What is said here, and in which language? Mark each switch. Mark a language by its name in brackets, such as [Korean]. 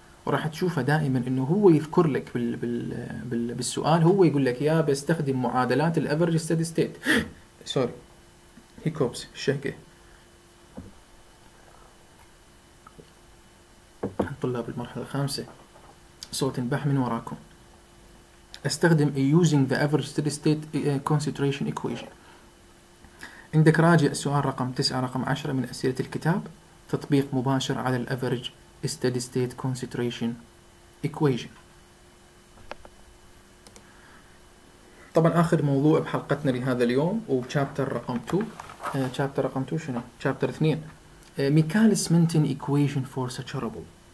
[Arabic] وراح تشوفه دائما انه هو يذكر لك بال بال بال بالسؤال، هو يقول لك يا بستخدم معادلات الافرج ستيدي ستيت. سوري، هيكوبس، الشهقة، طلاب المرحلة الخامسة، صوت انبح من وراكم. استخدم [English] using the average steady state concentration equation. [Arabic] عندك راجع سؤال رقم 9 رقم 10 من أسئلة الكتاب، تطبيق مباشر على الافرج steady state concentration equation. طبعا اخر موضوع بحلقتنا لهذا اليوم وشابتر رقم 2، شابتر رقم 2 شنو؟ شابتر 2، ميكاليس منتن equation for saturable.